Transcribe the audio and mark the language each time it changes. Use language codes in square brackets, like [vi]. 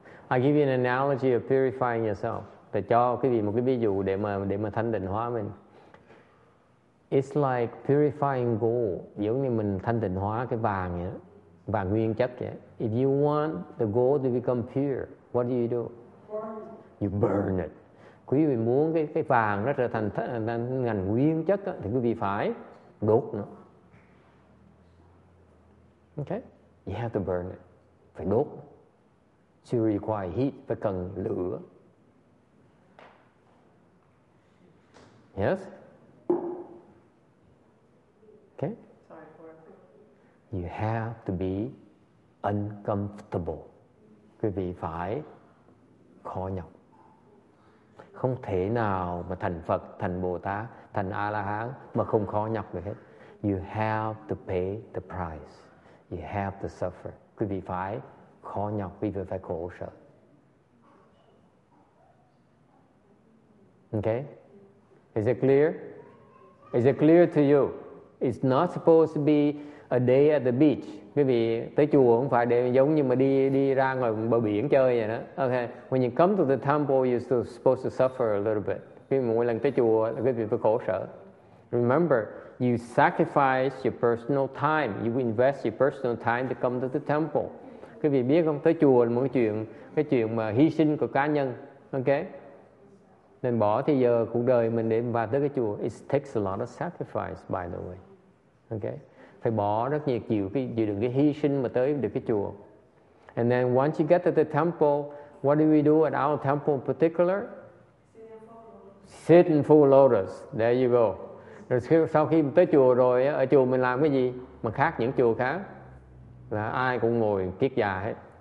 [en] I give you an analogy of purifying yourself. [vi] Để cho quý vị một cái ví dụ để mà thanh tịnh hóa mình. [en] It's like purifying gold. [vi] Giống như mình thanh tịnh hóa cái vàng vậy, vàng nguyên chất vậy. [en] If you want the gold to become pure, what do? You burn it. [vi] Quý vị muốn cái vàng nó trở thành ngành nguyên chất đó, thì quý vị phải đốt nó. [en] Okay. You have to burn it. [vi] Phải đốt. [en] To require heat. [vi] Phải cần lửa. [en] Yes? Okay? Sorry for it. You have to be uncomfortable. [vi] Quý vị phải khó nhọc. Không thể nào mà thành Phật, thành Bồ Tát, thành A-la-hán mà không khó nhọc được hết. [en] You have to pay the price. You have to suffer. [vi] Quý vị phải khó nhọc, quý vị phải khổ sở. [en] Okay? Is it clear? Is it clear to you? It's not supposed to be a day at the beach. [vi] Quý vị tới chùa không phải để giống như mà đi ra ngoài bờ biển chơi vậy đó. [en] Okay. When you come to the temple, you're still supposed to suffer a little bit. [vi] Quý vị mỗi lần tới chùa là quý vị phải khổ sở. [en] Remember, you sacrifice your personal time. You invest your personal time to come to the temple. [vi] Quý vị biết không? Tới chùa là một cái chuyện mà hy sinh của cá nhân. Okay? Nên bỏ thì giờ cuộc đời mình để vào tới cái chùa. [en] It takes a lot of sacrifice, by the way. [vi] Okay? phải bỏ rất nhiều chịu cái chịu đựng cái hy sinh mà tới được cái chùa. [en] And then once you get to the temple, what do we do at our temple in particular? Sit in full lotus. There you go. [vi] Rồi sau khi tới chùa rồi, ở chùa mình làm cái gì mà khác những chùa khác? Là ai cũng ngồi kiết già hết.